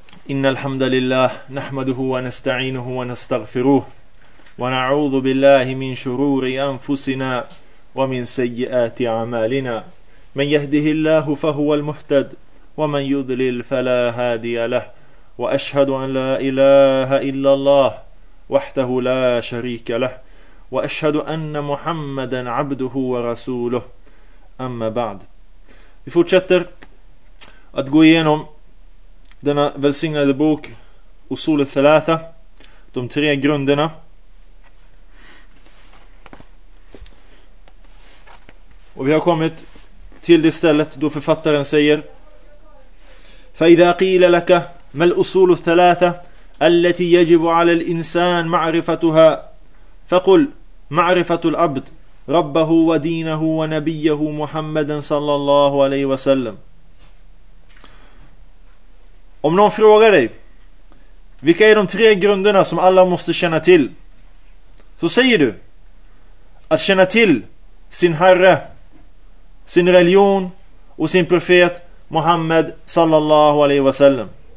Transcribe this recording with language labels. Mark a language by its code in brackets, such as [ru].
[ar] إن الحمد لله نحمده ونستعينه ونستغفره ونعوذ بالله من شرور أنفسنا ومن سيئات أعمالنا من يهده الله فهو المهتد ومن يضلل فلا هادي له وأشهد أن لا إله إلا الله وحده لا شريك له وأشهد أن محمدا عبده ورسوله أما بعد. [sv] Vi fortsätter att gå igenom denna välsignade bok Usul al-Thalatha, de tre grunderna. Och vi har kommit till det stället då författaren säger: [ar] فَإِذَا قِيلَ لَكَ مَا الْأُصُولُ الثَّلَاثَةَ الَّتِي يَجِبُ عَلَى الْإِنسَانِ مَعْرِفَتُهَا فَقُلْ مَعْرِفَةُ الْعَبْدِ ربه ودينه ونبيه محمدا صلى الله عليه وسلم. [sv] Om någon frågar dig, vilka är de tre grunderna som alla måste känna till? Så säger du: att känna till sin herre, sin religion och sin profet Muhammad sallallahu alaihi wasallam.